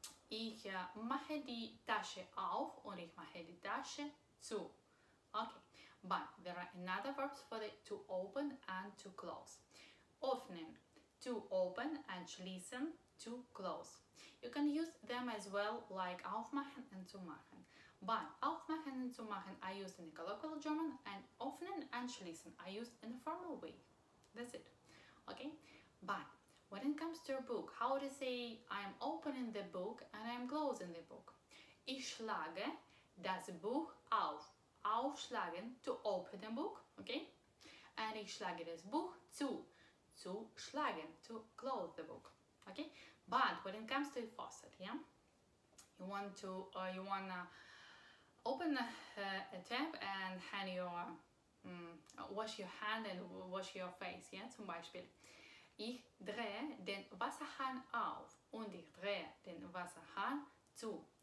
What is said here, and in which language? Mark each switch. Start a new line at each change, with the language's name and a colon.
German: Ich mache die Tasche auf und ich mache die Tasche zu.
English: Okay, but there are another verbs for the to open and to close. Öffnen, to open, and schließen, to close. You can use them as well like aufmachen and zumachen. But aufmachen and zumachen are used in the colloquial German and öffnen and schließen are used in a formal way. That's it. Okay? But when it comes to a book, how to say I'm opening the book and I'm closing the book?
German: Ich schlage das Buch auf. Aufschlagen,
English: to open the book.
German: Okay? And ich schlage das Buch zu. Zu schlagen,
English: to close the book. Okay, but when it comes to the faucet, yeah, you wanna open a tap and hand your wash your hand and wash your face, yeah.
German: Zum Beispiel, ich drehe den Wasserhahn auf und ich drehe den Wasserhahn zu.